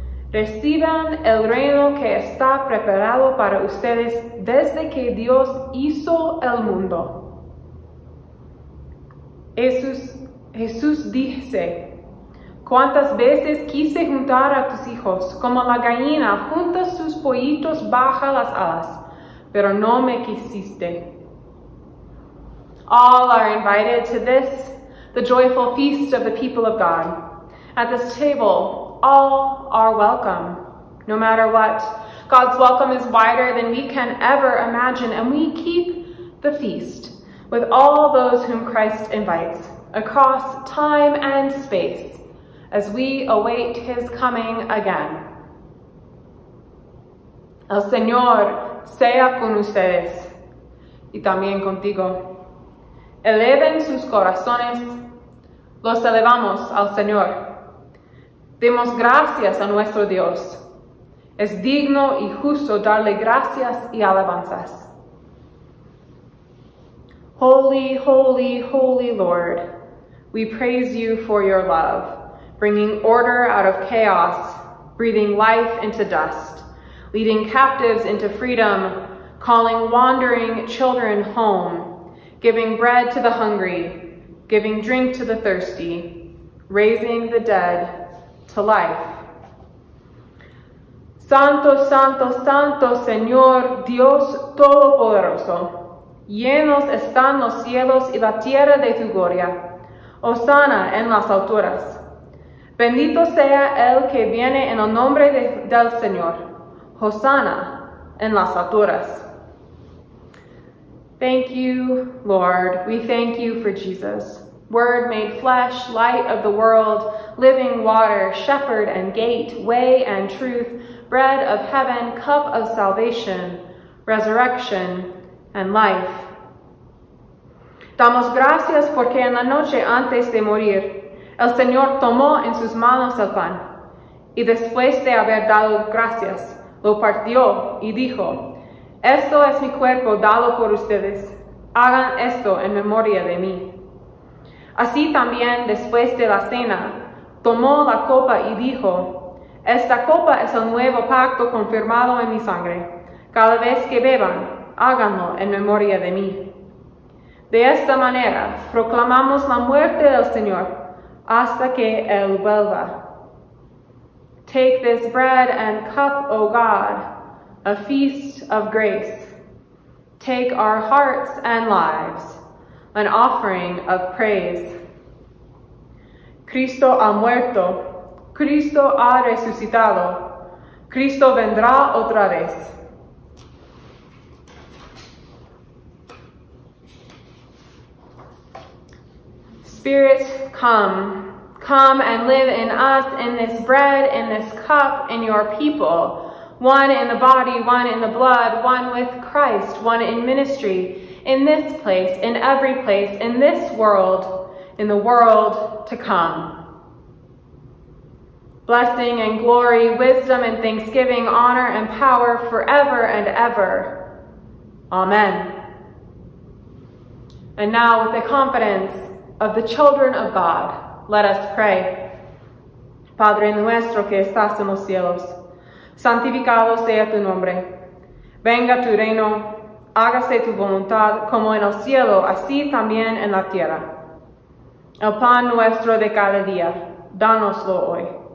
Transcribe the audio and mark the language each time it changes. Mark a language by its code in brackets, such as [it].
[es] Reciban el reino que está preparado para ustedes desde que Dios hizo el mundo. Jesús dice, ¿cuántas veces quise juntar a tus hijos como la gallina junta sus pollitos bajo las alas? Pero no me quisiste. [en] All are invited to this, the joyful feast of the people of God. At this table, all are welcome. No matter what, God's welcome is wider than we can ever imagine, and we keep the feast with all those whom Christ invites across time and space as we await his coming again. [es] El Señor sea con ustedes y también contigo. Eleven sus corazones. Los elevamos al Señor. Demos gracias a nuestro Dios. Es digno y justo darle gracias y alabanzas. [en] Holy, holy, holy Lord, we praise you for your love, bringing order out of chaos, breathing life into dust, leading captives into freedom, calling wandering children home, giving bread to the hungry, giving drink to the thirsty, raising the dead to life. [es] Santo, santo, santo, Señor, Dios Todopoderoso, llenos están los cielos y la tierra de tu gloria. Hosanna en las alturas. Bendito sea el que viene en el nombre del Señor. Hosanna en las alturas. [en] Thank you, Lord. We thank you for Jesus, Word made flesh, light of the world, living water, shepherd and gate, way and truth, bread of heaven, cup of salvation, resurrection and life. [es] Damos gracias porque en la noche antes de morir, el Señor tomó en sus manos el pan y después de haber dado gracias, lo partió y dijo, esto es mi cuerpo dado por ustedes, hagan esto en memoria de mí. Así también, después de la cena, tomó la copa y dijo, esta copa es el nuevo pacto confirmado en mi sangre. Cada vez que beban, háganlo en memoria de mí. De esta manera, proclamamos la muerte del Señor hasta que Él vuelva. [en] Take this bread and cup, O God, a feast of grace. Take our hearts and lives, an offering of praise. [es] Cristo ha muerto. Cristo ha resucitado. Cristo vendrá otra vez. [en] Spirit, come. Come and live in us, in this bread, in this cup, in your people, one in the body, one in the blood, one with Christ, one in ministry, in this place, in every place, in this world, in the world to come. Blessing and glory, wisdom and thanksgiving, honor and power forever and ever. Amen. And now with the confidence of the children of God, let us pray. [es] Padre nuestro que estás en los cielos, santificado sea tu nombre. Venga tu reino, hágase tu voluntad como en el cielo, así también en la tierra. El pan nuestro de cada día, dánoslo hoy.